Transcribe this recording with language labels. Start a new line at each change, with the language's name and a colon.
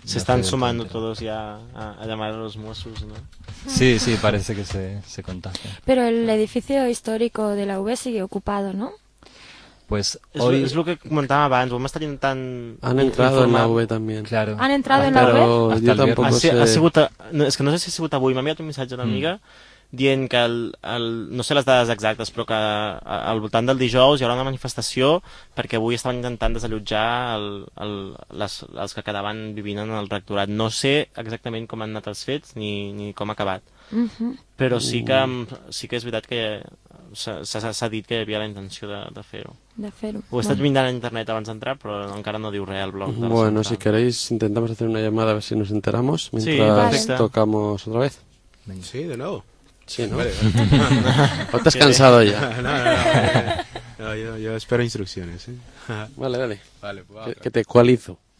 Spanish: se están sumando todos ya a llamar a los Mossos, ¿no? Sí, parece que se contagia. Pero el edificio histórico de la UB sigue ocupado, ¿no? Pues hoy es lo que comentaba antes, vamos a estar intentando... Han entrado en la UB también. Claro. Han entrado en la UB. Pero yo tampoco sé.
Catalan: Es que no sé si ha sigut avui, m'ha enviat un missatge una amiga dient que no sé les dades exactes, però que al voltant del dijous hi haurà una manifestació perquè avui estaven intentant desallotjar els que quedaven vivint en el rectorat. No sé exactament com han anat els fets ni com ha acabat. Però sí que és veritat que s'ha dit que hi havia la intenció de fer-ho. Ho he estat mirant a internet abans d'entrar, però encara no diu res al blog.
Spanish: Bueno, si queréis intentamos hacer una llamada a ver si nos enteramos mientras tocamos otra vez. Sí, de nuevo. Sí, ¿no? Vale. ¿O te has cansado ya? No, yo espero instrucciones, ¿eh? Vale, dale. Vale, pues que te ecualizo.